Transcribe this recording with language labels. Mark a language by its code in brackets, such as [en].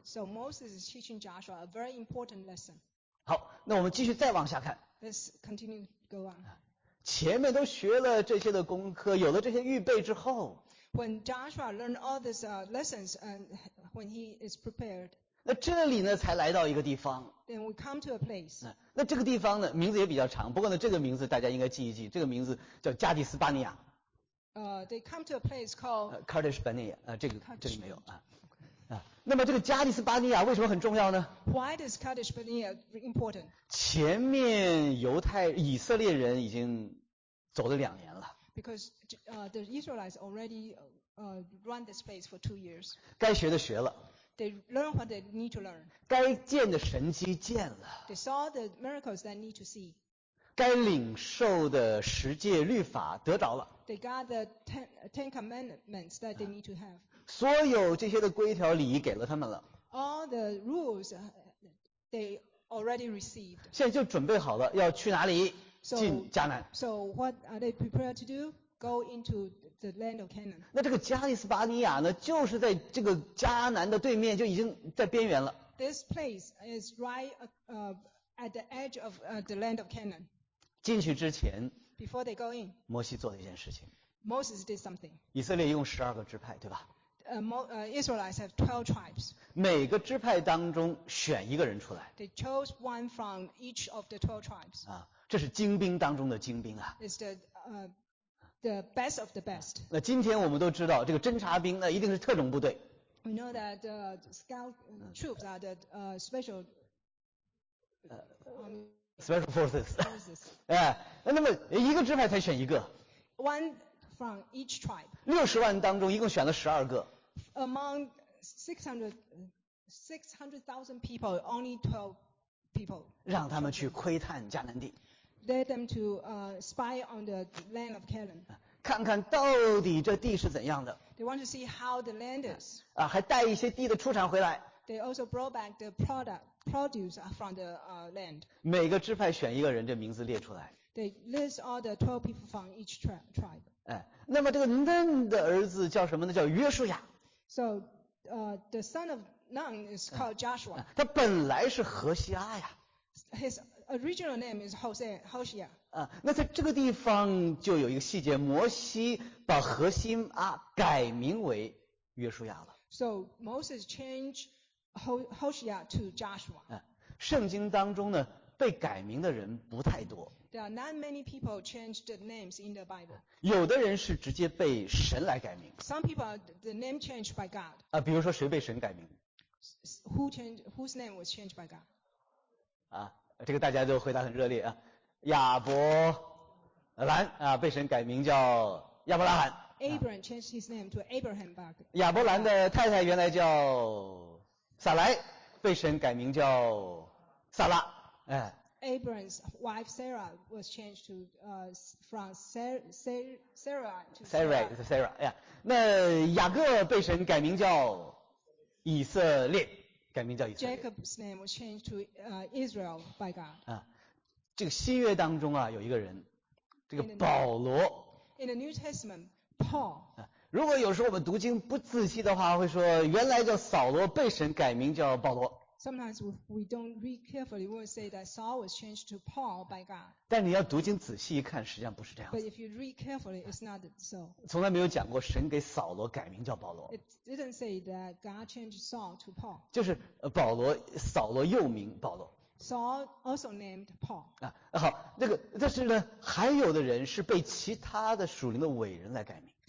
[en] So Moses is teaching Joshua a very important lesson. [zh] 好，那我们继续再往下看。 [en] Let's continue go on. [zh] 前面都学了这些的功课，有了这些预备之后。 [en] When Joshua learned all these lessons and when he is prepared. [zh] 那这里呢，才来到一个地方。 [en] Then we come to a place. [zh] 那这个地方呢，名字也比较长。不过呢，这个名字大家应该记一记，这个名字叫加迪斯巴尼亚。 [en] They come to a place called [zh] Kadesh Barnea. 这个没有啊。那么这个加迪斯巴尼亚为什么很重要呢 [en] ？Why does Kadesh Barnea important？ [zh] 前面犹太以色列人已经走了两年了。 [en] Because the Israelites already run this place for 2 years. [zh] 该学的学了。 [en] They learn what they need to learn. [zh] 该见的神迹见了。 [en] They saw the miracles they need to see. [zh] 该领受的十诫律法得着了。 [en] They got the ten commandments that they need to have. [zh] 所有这些的规条礼仪给了他们了。 [en] All the rules they already received. [zh] 现在就准备好了要去哪里？进迦南。 [en] So what are they prepared to do? Go into the land of Canaan. [zh] 那这个加利斯巴尼亚呢，就是在这个迦南的对面，就已经在边缘了。 [en] This place is right at the edge of the land of Canaan. [zh] 进去之前。 [en] Before they go in, [zh] 摩西做了一件事情。 [en] Moses did something. [zh] 以色列一共十二个支派，对吧？ [en] Israelites have 12 tribes. [zh] 每个支派当中选一个人出来。 [en] They chose one from each of the 12 tribes. [zh] 啊，这是精兵当中的精兵啊。 [en] It's the best of the best. [zh] 那今天我们都知道，这个侦察兵那一定是特种部队。 [en] We know that the scout troops are the special. Special forces. [zh] 哎，那么一个支派才选一个。 [en] One from each tribe. [zh] 60万当中一共选了十二个。 [en] Among 600,000 people, only 12 people. [zh] 让他们去窥探迦南地。 [en] Let them to spy on the land of Canaan. [zh] 看看到底这地是怎样的。 [en] They want to see how the land is. [zh] 啊，还带一些地的出产回来。 [en] They also brought back the produce from the land. [zh] 每个支派选一个人，这名字列出来。 [en] They list all the 12 people from each tribe. [zh] 哎，那么这个 Nun 的儿子叫什么呢？叫约书亚。 [en] So, the son of Nun is called Joshua. [zh] 他本来是何西阿呀。 [en] His original name is Hoshea. [zh] 啊，那在这个地方就有一个细节，摩西把何西阿改名为约书亚了。 [en] So Moses changed Hoshea to Joshua. [zh] 圣经当中呢，被改名的人不太多。 [en] There are not many people changed the names in the Bible. [zh] 有的人是直接被神来改名。 [en] Some people the name changed by God. [zh] 啊，比如说谁被神改名 [en] ？Whose name was changed by God? [zh] 啊，这个大家都回答很热烈啊。亚伯兰啊，被神改名叫亚伯拉罕。 [en] Abraham changed his name to Abraham by God. [zh] 亚伯兰的太太原来叫撒莱，被神改名叫撒拉。哎。 [en] Abraham's wife Sarah was changed to from Sarah to Sarah. Sarah, yeah. [zh] 那雅各被神改名叫以色列，改名叫以色列。 [en] Jacob's name was changed to Israel by God. [zh] 啊，这个新约当中啊，有一个人。这个保罗。 [en] In the New Testament, Paul. [zh] 如果有时候我们读经不仔细的话，会说原来叫扫罗，被神改名叫保罗。 [en] Sometimes we don't read carefully, we will say that Saul was changed to Paul by God. [zh] 但你要读经仔细一看，实际上不是这样。 [en] But if you read carefully, it's not so. [zh] 从来没有讲过神给扫罗改名叫保罗。 [en] It didn't say that God changed Saul to Paul. [zh] 就是保罗，扫罗又名保罗。 [en] Saul also named Paul. [zh] 啊，好，那个，但是呢，还有的人是被其他的属灵的伟人来改名。